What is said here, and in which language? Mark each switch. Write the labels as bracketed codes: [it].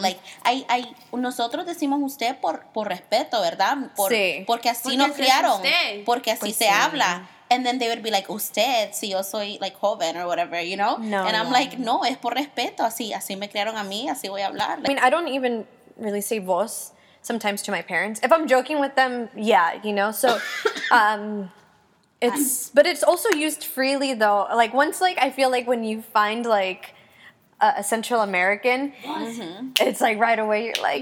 [en] Like, I, [es] nosotros decimos usted por respeto, ¿verdad? Por, sí. Porque así porque nos criaron. Usted. Porque así pues se sí. habla. [en] And then they would be like, [es] usted, si yo soy, [en] like, joven or whatever, you know? No. And no. I'm like, [es] no, es por respeto. Así me criaron a mí, así voy a hablar. [en] Like, I mean, I don't even really say vos sometimes to my parents. If I'm joking with them, yeah, you know? So, but it's also used freely, though. Like, once, like, I feel like when you find, like, a Central American, mm-hmm. it's like right away you're like,